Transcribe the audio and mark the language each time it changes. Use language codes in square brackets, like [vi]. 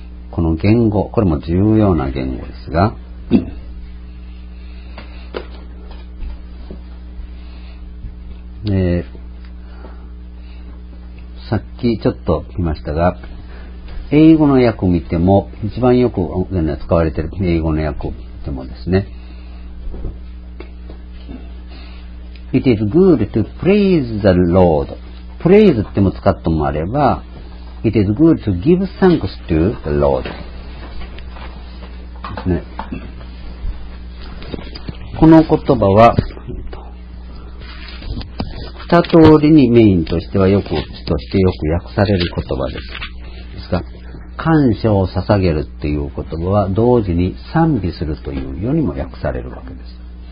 [ja] この言語、これも重要な言語ですが、さっきちょっと見ましたが、英語の訳を見ても一番よく使われている英語の訳を見てもですね、 [en] It is good to praise the Lord。 Praise [ja] っても使ってもあれば [en] It is good to give thanks to the Lord [ja] ですね。この言葉は二通りにメインとしてはよく、としてよく訳される言葉です。ですが、感謝を捧げるっていう言葉は同時に賛美するというようにも訳されるわけです。